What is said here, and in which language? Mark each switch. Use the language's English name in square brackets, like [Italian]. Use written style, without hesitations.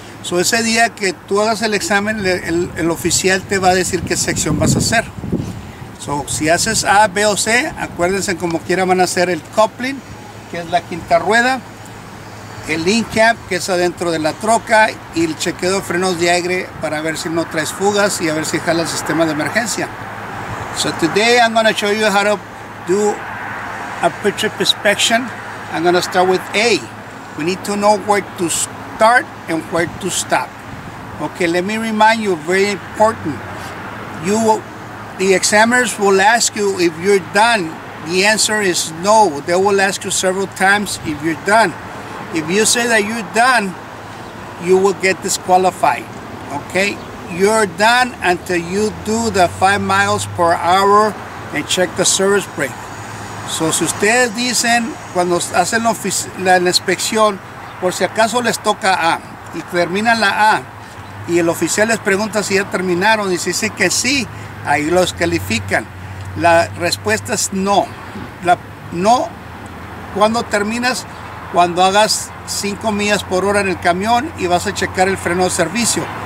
[Spanish] So, ese día que tú hagas el examen, el oficial te va a decir qué sección vas a hacer. So, si haces A, B o C, acuérdense, como quiera van a hacer el coupling, que es la quinta rueda, el in-cap, que es adentro de la troca, y el chequeo de frenos de aire para ver si no traes fugas y a ver si jala el sistema de emergencia. [English] So, today I'm going to show you how to do a pre-trip inspection. I'm going to start with A. We need to know where to start and where to stop. Okay, let me remind you, very important. The examiners will ask you if you're done. The answer is no. They will ask you several times if you're done. If you say that you're done, you will get disqualified. Okay, you're done until you do the 5 miles per hour and check the service brake. [Spanish] So, si ustedes dicen, cuando hacen la inspección, por si acaso les toca A, y terminan la A, y el oficial les pregunta si ya terminaron, y si dicen que sí, ahí los califican. La respuesta es no. No, cuando terminas, cuando hagas 5 millas por hora en el camión y vas a checar el freno de servicio.